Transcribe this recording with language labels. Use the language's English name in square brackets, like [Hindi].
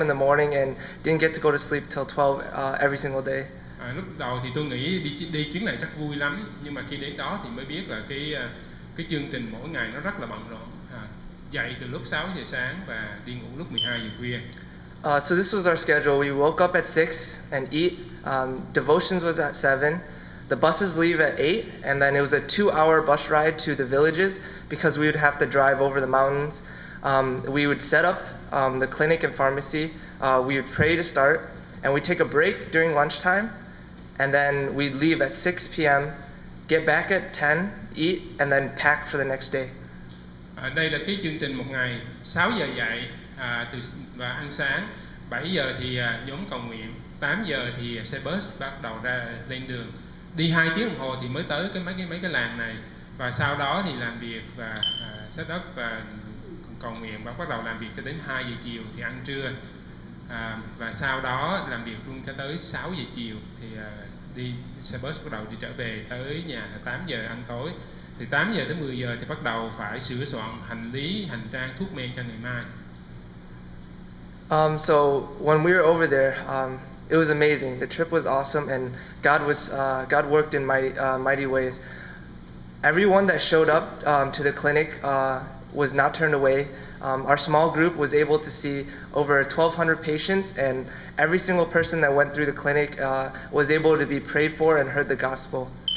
[English] in the morning and didn't get to go to sleep till 12 every single day. [Vietnamese] Lúc đầu thì tôi nghĩ đi chuyến này chắc vui lắm, nhưng mà khi đến đó thì mới biết là cái chương trình mỗi ngày nó rất là bận rộn. Dậy từ lúc 6 giờ sáng và đi ngủ lúc 12 giờ khuya. [English] So this was our schedule. We woke up at 6 and eat. Devotions was at 7. The buses leave at 8, and then it was a 2-hour bus ride to the villages because we would have to drive over the mountains. We would set up the clinic and pharmacy. We would pray to start, and we'd take a break during lunchtime, and then we'd leave at 6 p.m., get back at 10, eat, and then pack for the next day. [Vietnamese] Đây là cái chương trình một ngày, 6 giờ dậy và ăn sáng, 7 giờ thì nhóm cầu nguyện, 8 giờ thì xe bus bắt đầu ra lên đường. Đi 2 tiếng đồng hồ thì mới tới mấy cái làng này và sau đó thì làm việc và set up và cầu nguyện và bắt đầu làm việc cho đến 2 giờ chiều thì ăn trưa. Và sau đó làm việc luôn cho tới 6 giờ chiều thì đi xe bus bắt đầu đi trở về tới nhà 8 giờ ăn tối. Thì 8 giờ tới 10 giờ thì bắt đầu phải sửa soạn hành lý, hành trang, thuốc men cho ngày mai. [English] So when we were over there it was amazing. The trip was awesome, and God worked in mighty ways. Everyone that showed up to the clinic was not turned away. Our small group was able to see over 1,200 patients, and every single person that went through the clinic was able to be prayed for and heard the gospel.